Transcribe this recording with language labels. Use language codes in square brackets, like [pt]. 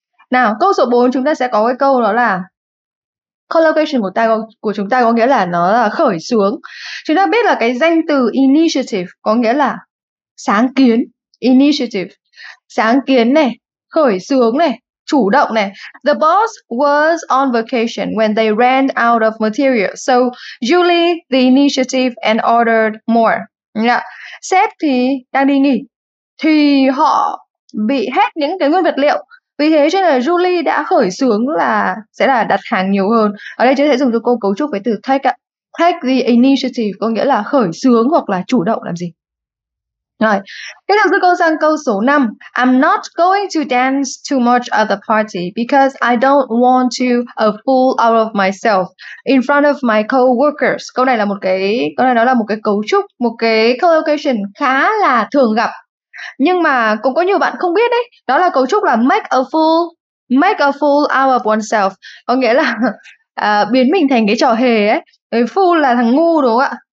[vi] Nào, câu số 4 chúng ta sẽ có cái câu đó là collocation của chúng ta có nghĩa là nó là khởi xướng. Chúng ta biết là cái danh từ initiative có nghĩa là sáng kiến, initiative, sáng kiến này, khởi xướng này, chủ động này. [en] The boss was on vacation when they ran out of material, so Julie the initiative and ordered more. [vi] Sếp thì đang đi nghỉ, thì họ bị hết những cái nguyên vật liệu. Vì thế cho nên là Julie đã khởi xướng là sẽ là đặt hàng nhiều hơn. Ở đây chúng sẽ dùng cho cô cấu trúc với từ take ạ. [en] Take the initiative [vi] có nghĩa là khởi xướng hoặc là chủ động làm gì. Rồi, tiếp tục cho cô sang câu số 5. [en] I'm not going to dance too much at the party because I don't want to a fool out of myself in front of my coworkers. [vi] Câu này là một cái, câu này nó là một cái cấu trúc, một cái collocation khá là thường gặp. Nhưng mà cũng có nhiều bạn không biết đấy. Đó là cấu trúc là [en] make a fool out of oneself. [vi] Có nghĩa là biến mình thành cái trò hề ấy. Fool là thằng ngu đúng không ạ?